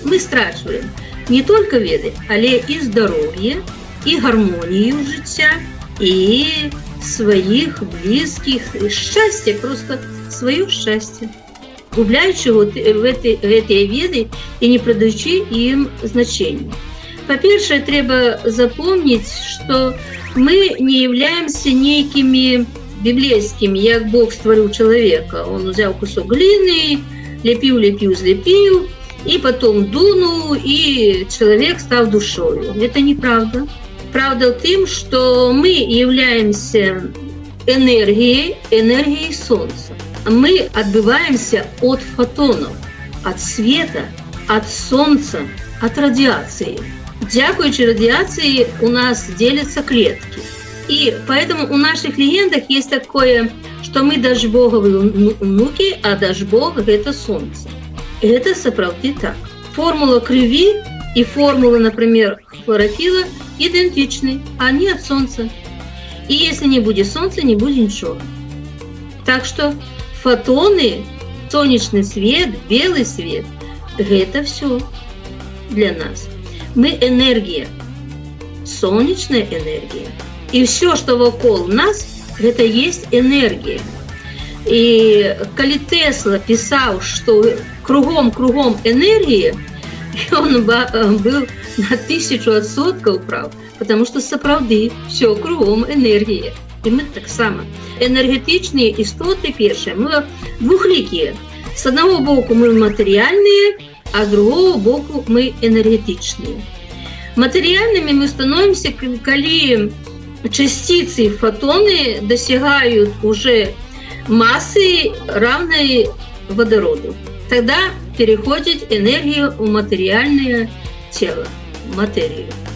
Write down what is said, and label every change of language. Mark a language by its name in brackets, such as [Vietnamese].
[Ukrainian] Ми страчуємо не тільки веды, але і здоров'я, і гармонію життя, і своїх близьких, і щастя, просто своє щастя. Губляючи ці веды і не придаючи їм значення. По-перше, треба запомнити, що ми не являємося нейкими библейским, як Бог створил человека. [Russian] Он взял кусок глины, лепил, и потом дунул, и человек стал душою. Это неправда. Правда в том, что мы являемся энергией солнца. Мы отбиваемся от фотонов, от света, от солнца, от радиации. Дякуючи радиации у нас делятся клетки. И поэтому у наших легендах есть такое, что мы дажбоговы внуки, а дажбог – это солнце. Это саправды так. Формула крыви и формула, например, хлорофила идентичны, а не от солнца. И если не будет солнца, не будет ничего. Так что фотоны, солнечный свет, белый свет – это все для нас. Мы энергия, солнечная энергия. [Belarusian] І все, що вакол нас, гэта ёсць энергія. І калі Тесла пісаў, што кругом энергія, ён быў на 1000% прав, таму што сапраўды все кругом энергія. І мы таксама. Энергетычныя істоты першыя, мы двухлікія. З аднаго боку мы матэрыяльныя, а з другого боку мы энергетычныя. [Ukrainian] Матеріальними ми становимося, коли частиці фотони досягають уже маси, рівної водороду. Тоді переходить енергія у матеріальне тіло, матерію.